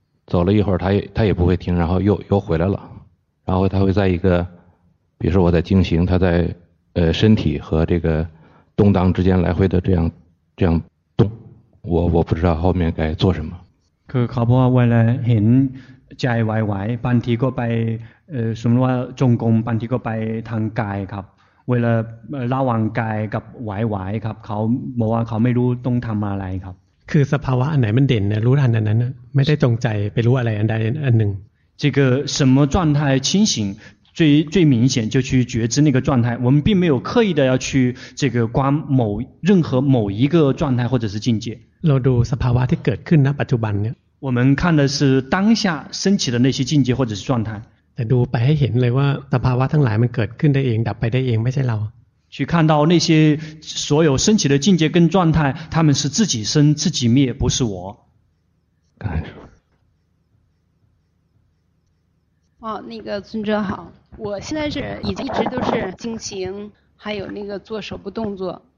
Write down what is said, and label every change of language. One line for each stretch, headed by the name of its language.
Chinese: 走了一会儿他也不会停，然后又回来了，然后他会在一个比如说我在经行，他在身体和这个动荡之间来回的这样动，我不知道后面该做什么。
Thai: คือเขาบอกว่าเวลาเห็นใจไหวๆบางทีก็ไปสมมติว่าจงกรมบางทีก็ไปทางกายครับเวลาระหว่างกายกับไหวๆครับเขาบอกว่าเขาไม่รู้ต้องทำอะไรครับ คือสภาวะอันไหนมันเด่นนะรู้ทันอันนั้นไม่ได้จงใจไปรู้อะไรอันใดอันหนึ่ง
Chinese: 这个什么状态清醒最明显就去觉知那个状态，我们并没有刻意的要去这个观某任何某一个状态或者是境界。
Thai: เราดูสภาวะที่เกิดขึ้นณปัจจุบันเนี่ย
Chinese: 我们看的是当下升起的那些境界或者是状态。
Thai: แต่ดูไปให้เห็นเลยว่าสภาวะทั้งหลายมันเกิดขึ้นได้เองดับไปได้เองไม่ใช่เรา
Chinese: 去看到那些所有升起的境界跟状态，他们是自己生自己灭，不是我。感谢。哦，那个尊者好，我现在是已经一直都是经行，还有那个做手部动作。